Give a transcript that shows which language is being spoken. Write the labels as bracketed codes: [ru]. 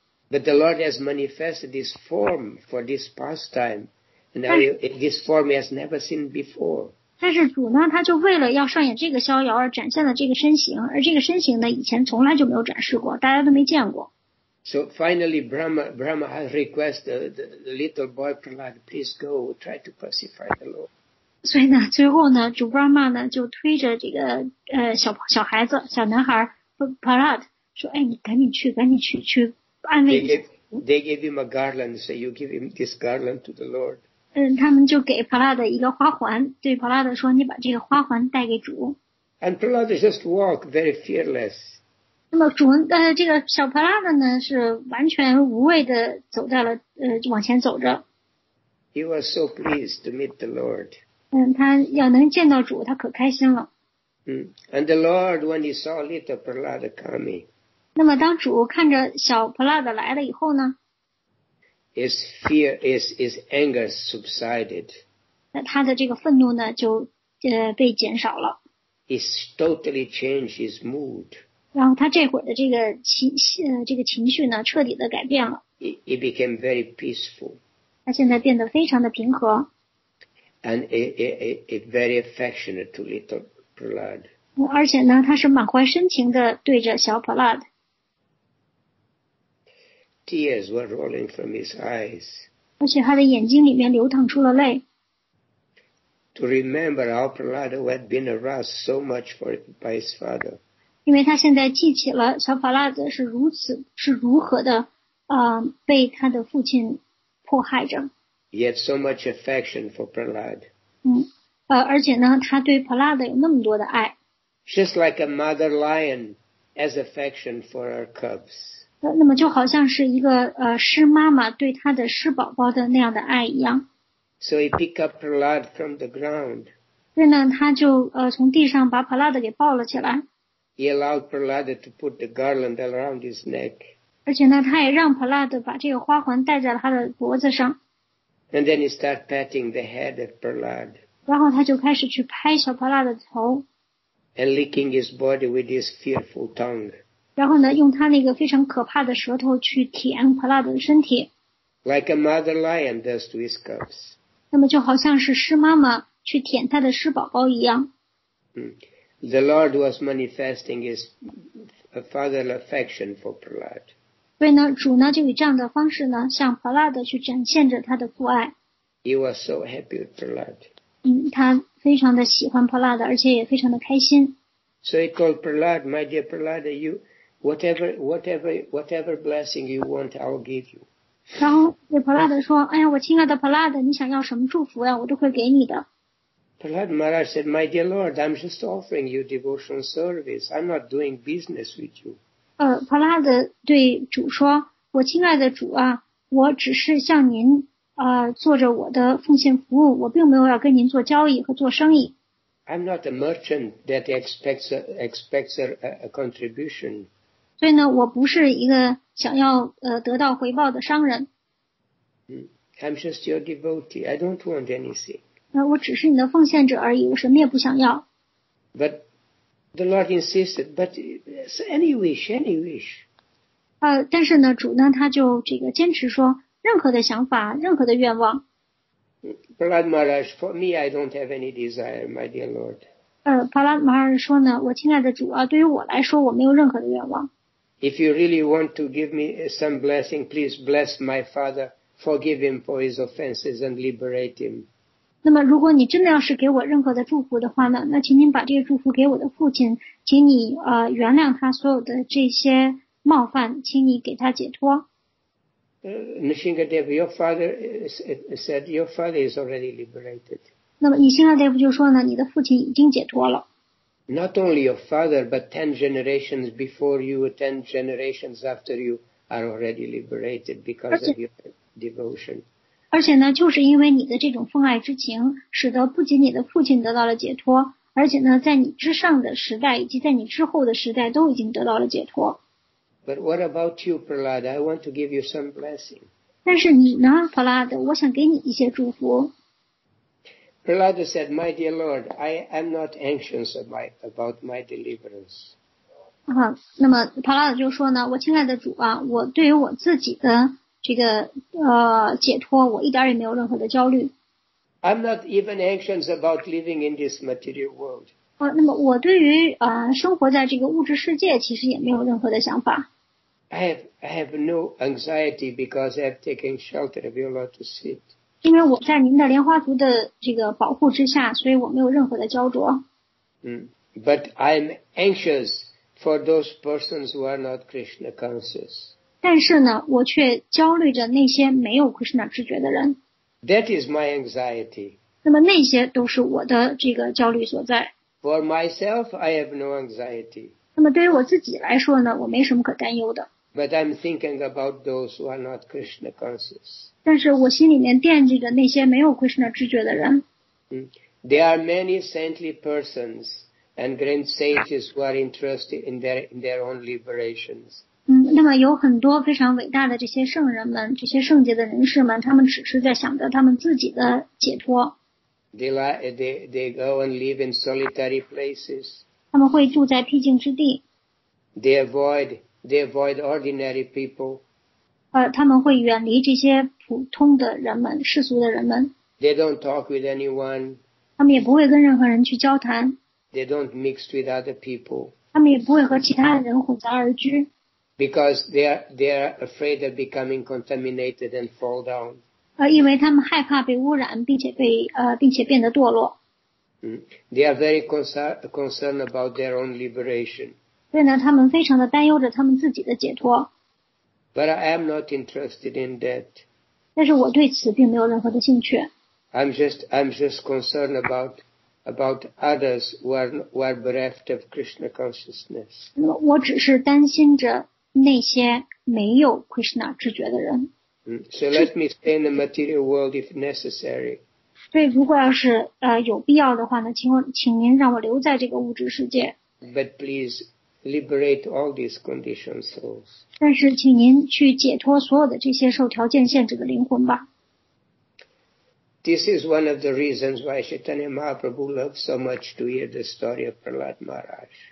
[en] But the Lord has manifested this form for this pastime, and now this form he has never seen before. [zh] 但是主呢，他就为了要上演这个逍遥而展现了这个身形，而这个身形呢，以前从来就没有展示过，大家都没见过。 [en] So finally, Brahma has requested the little boy Prahlad, please go try to pacify the Lord. [zh] 所以呢，最后呢，主 Brahma 呢就推着这个小孩子小男孩 Prahlad 说：“哎，你赶紧去，赶紧去，去。” [en] They gave him a garland, say, you give him this garland to the Lord. [zh] 嗯，他们就给 Prahlad 一个花环，对 Prahlad 说，你把这个花环带给主。 [en] And Prahlad just walked very fearless. [zh] 那么主，这个小 Prahlad 呢，是完全无畏的走在了，往前走着。 [en] He was so pleased to meet the Lord. [zh] 嗯，他要能见到主，他可开心了。 [en] And the Lord, when he saw little Prahlad coming, [zh] 那么当主看着小 Prahlad 来了以后呢 [en] His anger subsided. [zh] 那他的这个愤怒呢就被减少了。 [en] He's totally changed his mood. [zh] 然后他这会儿的这个情绪呢彻底的改变了。 [en] He became very peaceful. [zh] 他现在变得非常的平和。 [en] And it very affectionate to little Prahlad. [zh] 而且呢他是满怀深情的对着小 Prahlad。 [en] Tears were rolling from his eyes. [zh] 而且他的眼睛里面流淌出了泪。 [en] To remember how Prahlad had been harassed so much by his father. [zh] 因为他现在记起了小 Prahlad 是如何的被他的父亲迫害着。 [en] He had so much affection for Prahlad. [zh] 而且呢，他对 Prahlad 有那么多的爱。 [en] Just like a mother lion has affection for her cubs. [zh] 那么就好像是一个狮妈妈对她的狮宝宝的那样的爱一样。 [en] So he picked up Prahlad from the ground. [zh] 所以呢，他就从地上把 Prahlad 给抱了起来。 [en] He allowed Prahlad to put the garland around his neck. [zh] 而且呢，他也让 Prahlad 把这个花环戴在了他的脖子上。 [en] And then he started patting the head of Prahlad. [zh] 然后他就开始去拍小 Prahlad 的头。 [en] And licking his body with his fearful tongue. [zh] 然后呢，用他那个非常可怕的舌头去舔普拉德的身体。 [en] Like a mother lion does to his cubs. [zh] 那么就好像是狮妈妈去舔他的狮宝宝一样。 [en] The Lord was manifesting his fatherly affection for Prahlad. [zh] 所以呢，主呢就以这样的方式呢，向普拉德去展现着他的父爱。 [en] He was so happy with Prahlad. [zh] 他非常的喜欢普拉德，而且也非常的开心。 [en] So he called Prahlad, my dear Prahlad, you. Whatever blessing you want, I'll give you. [zh] 然后对 Prahlad 说，哎呀，我亲爱的 Prahlad, 你想要什么祝福呀，我都会给你的。 [en] Prahlad Maharaj said, My dear Lord, I'm just offering you devotional service. I'm not doing business with you. [zh] Prahlad 对主说，我亲爱的主啊，我只是向您做着我的奉献服务，我并没有要跟您做交易和做生意。 [en] I'm not a merchant that expects a contribution. [zh] 所以呢，我不是一个想要得到回报的商人。 [en] I'm just your devotee. I don't want anything. [zh] 我只是你的奉献者而已，我什么也不想要。 [en] But the Lord insisted. But any wish, any wish. [zh] 但是呢，主呢，他就这个坚持说，任何的想法，任何的愿望。 [en] Prahlad Maharaj, for me, I don't have any desire, my dear Lord. [zh] Prahlad Maharaj 说呢，我亲爱的主啊，对于我来说，我没有任何的愿望。 [en] If you really want to give me some blessing, please bless my father, forgive him for his offenses, and liberate him. [zh] 那么，如果你真的要是给我任何的祝福的话呢？那请您把这个祝福给我的父亲，请你原谅他所有的这些冒犯，请你给他解脱。 [en] Nrisimhadev, your father said your father is already liberated. [zh] 那么，Nrisimhadev就说呢，你的父亲已经解脱了。 [en] Not only your father, but 10 generations before you, 10 generations after you are already liberated because of your devotion. [zh] 而且呢，就是因为你的这种奉爱之情，使得不仅你的父亲得到了解脱，而且呢，在你之上的时代以及在你之后的时代都已经得到了解脱。 [en] But what about you, Prahlad? I want to give you some blessing. [zh] 但是你呢 Prahlad, 我想给你一些祝福。 [en] Prahlad said, My dear Lord, I am not anxious about my deliverance. [zh] 那么 Prahlad 就说呢，我亲爱的主啊，我对于我自己的这个解脱，我一点也没有任何的焦虑。 [en] I'm not even anxious about living in this material world. [zh] 那么我对于生活在这个物质世界其实也没有任何的想法。 [en] I have no anxiety because I've taken shelter of your lotus feet. [zh] 因为我在您的莲花足的这个保护之下，所以我没有任何的焦灼。 [en] But I'm anxious for those persons who are not Krishna conscious. [zh] 但是呢，我却焦虑着那些没有 Krishna 知觉的人。 [en] That is my anxiety. [zh] 那么那些都是我的这个焦虑所在。 [en] For myself, I have no anxiety. [zh] 那么对于我自己来说呢，我没什么可担忧的。 [en] But I'm thinking about those who are not Krishna conscious. [zh] 但是我心里面惦记着那些没有 Krishna 知觉的人。 [en] There are many saintly persons and great sages who are interested in their own liberations. [zh] 那么有很多非常伟大的这些圣人们，这些圣洁的人士们，他们只是在想着他们自己的解脱。 [en] They go and live in solitary places. [zh] 他们会住在僻静之地。 [en] They avoid ordinary people. [zh] 他们会远离这些普通的人们，世俗的人们。 [en] They don't talk with anyone. [zh] 他们也不会跟任何人去交谈。 [en] They don't mix with other people. [zh] 他们也不会和其他的人混杂而居。 [en] Because they are afraid of becoming contaminated and fall down. [zh] 因为他们害怕被污染，并且变得堕落。 [en] They are very concerned about their own liberation. [zh] 所以呢，他们非常的担忧着他们自己的解脱。 [en] But I am not interested in that. [zh] 但是我对此并没有任何的兴趣。 [en] I'm just concerned about others who are bereft of Krishna consciousness. [zh] 我只是担心着。那些没有 Krishna 知觉的人。 [en] So let me stay in the material world if necessary. [zh] 对，如果要是有必要的话呢，请您让我留在这个物质世界。 [en] But please liberate all these conditioned souls. [zh] 但是请您去解脱所有的这些受条件限制的灵魂吧。 [en] This is one of the reasons why Chaitanya Mahaprabhu loved so much to hear the story of Prahlad Maharaj.